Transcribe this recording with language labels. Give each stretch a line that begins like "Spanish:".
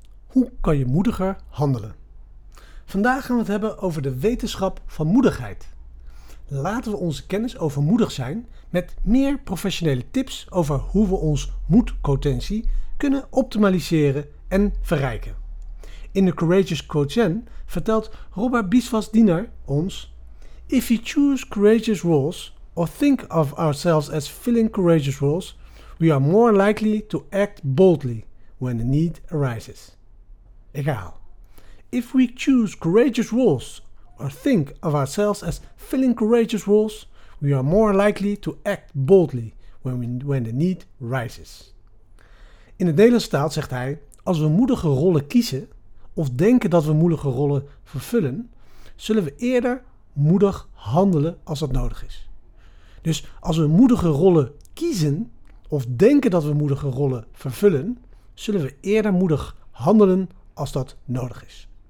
Dutch: Hoe kan je moediger handelen? Vandaag gaan we het hebben over de wetenschap van moedigheid. Laten we onze kennis over moedig zijn met meer professionele tips over hoe we ons moedpotentie kunnen optimaliseren en verrijken. In The Courageous Coachen vertelt Robert Biswas-Diener ons:
English: If we choose courageous roles or think of ourselves as filling courageous roles, we are more likely to act boldly when the need arises.
Dutch: Ik herhaal.
English: If we choose courageous roles or think of ourselves as filling courageous roles, we are more likely to act boldly when the need arises.
Dutch: In het Nederlands taal zegt hij: als we moedige rollen kiezen of denken dat we moedige rollen vervullen, zullen we eerder moedig handelen als dat nodig is. Dus als we moedige rollen kiezen of denken dat we moedige rollen vervullen, zullen we eerder moedig handelen als dat nodig is.